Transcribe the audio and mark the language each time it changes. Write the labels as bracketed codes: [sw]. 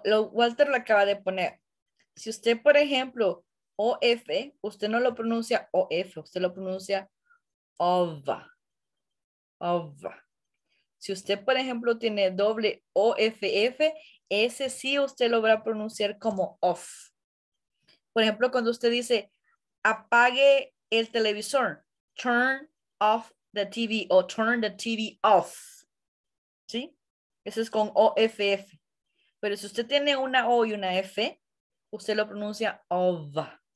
[es] Walter lo acaba de poner. Si usted, por ejemplo, OF, usted no lo pronuncia OF, usted lo pronuncia OV. OV. Si usted, por ejemplo, tiene doble OFF, ese sí usted lo va a pronunciar como OFF. Por ejemplo, cuando usted dice, apague el televisor. [en] Turn off the TV o turn the TV off. [es] ¿Sí? Eso es con OFF. Pero si usted tiene una O y una F, usted lo pronuncia OV.